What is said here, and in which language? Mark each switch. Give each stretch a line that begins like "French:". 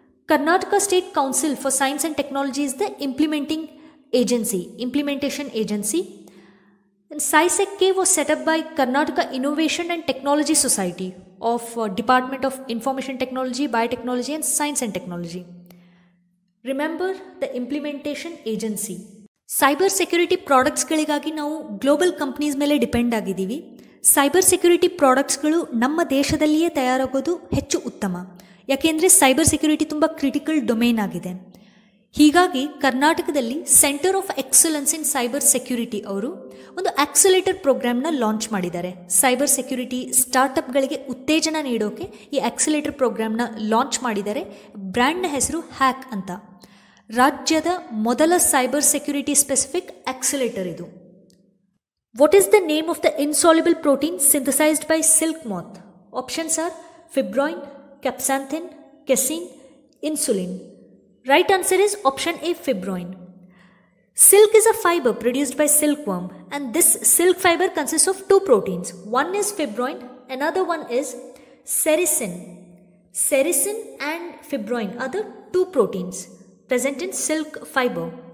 English: Karnataka State Council for Science and Technology is the implementation agency. And CISEC-K was set up by Karnataka Innovation and Technology Society of Department of Information Technology, Biotechnology and Science and Technology. Remember the implementation agency.
Kannada: Cyber security ಪ್ರಾಡಕ್ಟ್ಸ್ಗಳಿಗಾಗಿ ನಾವು global companies ಮೇಲೆ depend ಆಗಿದ್ದೀವಿ. Cyber security ಪ್ರಾಡಕ್ಟ್ಸ್ಗಳು ನಮ್ಮ ದೇಶದಲ್ಲಿಯೇ ತಯಾರಾಗೋದು ಹೆಚ್ಚು ಉತ್ತಮ, ಯಾಕೆಂದರೆ cyber security ತುಂಬ critical domain ಆಗಿದೆ. ಹೀಗಾಗಿ ಕರ್ನಾಟಕದಲ್ಲಿ centre of excellence in cyber security ಅವರು ಒಂದು ಆಕ್ಸಲೇಟರ್ ಪ್ರೋಗ್ರಾಮ್ನ ಲಾಂಚ್ ಮಾಡಿದ್ದಾರೆ. ಸೈಬರ್ ಸೆಕ್ಯೂರಿಟಿ ಸ್ಟಾರ್ಟ್ಅಪ್ಗಳಿಗೆ ಉತ್ತೇಜನ ನೀಡೋಕೆ ಈ ಆಕ್ಸಲೇಟರ್ ಪ್ರೋಗ್ರಾಮ್ನ ಲಾಂಚ್ ಮಾಡಿದ್ದಾರೆ. ಬ್ರ್ಯಾಂಡ್ನ ಹೆಸರು ಹ್ಯಾಕ್ ಅಂತ. ರಾಜ್ಯದ ಮೊದಲ ಸೈಬರ್ ಸೆಕ್ಯೂರಿಟಿ ಸ್ಪೆಸಿಫಿಕ್ ಆಕ್ಸಲೇಟರ್ ಇದು.
English: What is the name of the insoluble protein synthesised by silk moth? Options are fibroin, capsanthin, casein, insulin. Right answer is option A, fibroin. Silk is a fiber produced by silkworm, and this silk fiber consists of two proteins. One is fibroin, another one is sericin. Sericin and fibroin are the two proteins present in silk fiber.